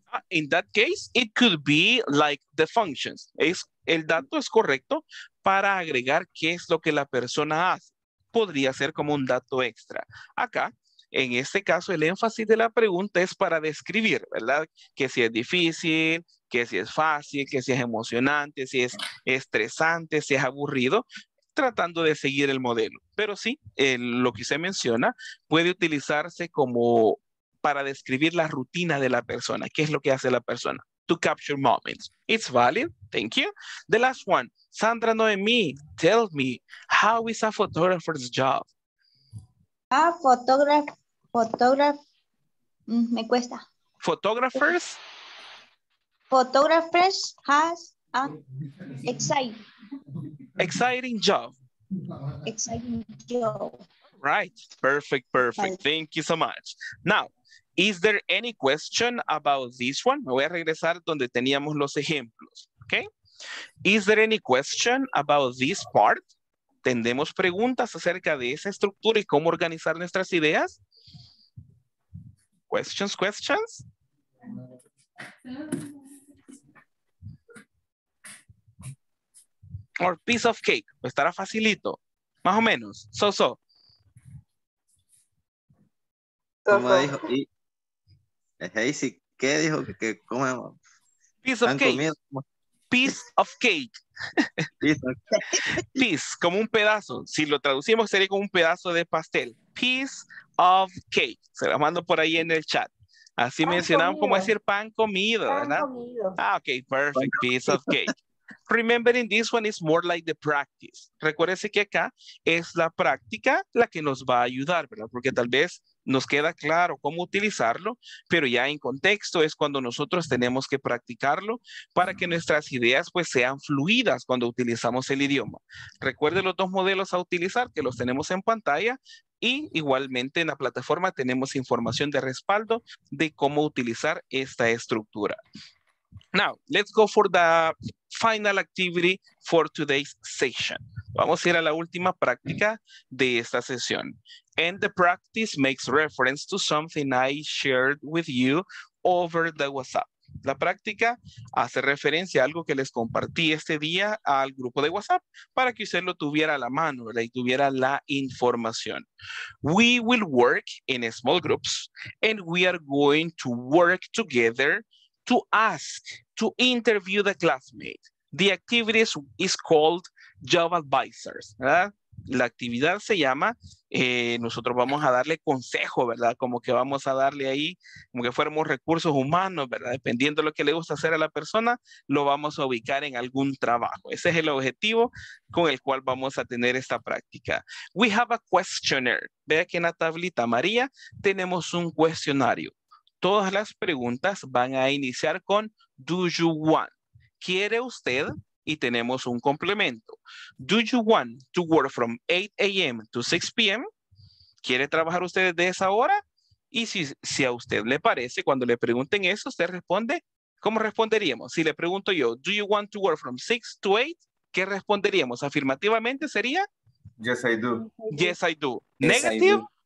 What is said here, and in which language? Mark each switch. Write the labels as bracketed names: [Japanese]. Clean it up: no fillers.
[English] In that case, it could be like the functions. [Spanish] Es, el dato es correcto para agregar qué es lo que la persona hace. Podría ser como un dato extra. Acá, en este caso, el énfasis de la pregunta es para describir, ¿verdad? Que si es difícil, que si es fácil, que si es emocionante, si es estresante, si es aburrido, tratando de seguir el modelo. Pero sí, lo que se menciona puede utilizarse como para describir la rutina de la persona. ¿Qué es lo que hace la persona? [English] To capture moments. It's valid. Thank you. The last one. Sandra Noemí, tell me, how is a photographer's job? A photographer. Photographers? Photographers has an exciting job. Exciting job. Right. Perfect, perfect. Vale. Thank you so much. Now, is there any question about this one? [Spanish] Me voy a regresar donde teníamos los ejemplos. [English] Okay. Is there any question about this part? [Spanish] ¿Tendemos preguntas acerca de esa estructura y cómo organizar nuestras ideas? [English] Questions, questions? Or piece of cake, [Spanish] estará facilito. Más o menos, [English] so-so. [Spanish] ¿Cómo dijo? Hey, si, ¿qué dijo que comemos? [English] Piece of cake. Piece of cake. Piece, [Spanish] como un pedazo. Si lo traducimos, sería como un pedazo de pastel. [English] Piece of cake. [Spanish] Se lo mando por ahí en el chat. Así pan mencionamos, comido. Como decir pan comido, pan ¿verdad? Comido. [English] Ah, ok, perfect. Piece of cake. Remembering this one is more like the practice. [Spanish] Recuérdese que acá es la práctica la que nos va a ayudar, ¿verdad? Porque tal vez nos queda claro cómo utilizarlo, pero ya en contexto es cuando nosotros tenemos que practicarlo para que nuestras ideas pues sean fluidas cuando utilizamos el idioma. Recuerde los dos modelos a utilizar, que los tenemos en pantalla, y igualmente en la plataforma tenemos información de respaldo de cómo utilizar esta estructura. [English] Now, let's go for the final activity for today's session. [Spanish] Vamos a ir a la última práctica de esta sesión. [English] And the practice makes reference to something I shared with you over the WhatsApp. [Spanish] La práctica hace referencia a algo que les compartí este día al grupo de WhatsApp para que usted lo tuviera a la mano, ¿verdad? Y tuviera la información. [English] We will work in small groups and we are going to work together to ask, to interview the classmate. The activity is called Job Advisors, [Spanish] ¿verdad? La actividad se llama, nosotros vamos a darle consejo, ¿verdad? Como que vamos a darle ahí, como que fuéramos recursos humanos, ¿verdad? Dependiendo de lo que le gusta hacer a la persona, lo vamos a ubicar en algún trabajo. Ese es el objetivo con el cual vamos a tener esta práctica. [English] We have a questionnaire. [Spanish] Vea que en la tablita amarilla tenemos un cuestionario. Todas las preguntas van a iniciar con [English] do you want? [Spanish] ¿Quiere usted? Y tenemos un complemento. [English] Do you want to work from 8 a.m. to 6 p.m.? [Spanish] ¿Quiere trabajar usted desde esa hora? Y si a usted le parece, cuando le pregunten eso, usted responde, ¿cómo responderíamos? Si le pregunto yo, [English] do you want to work from 6 to 8? [Spanish] ¿Qué responderíamos? Afirmativamente sería. [English] Yes, I do. Yes, I do. Yes, negative.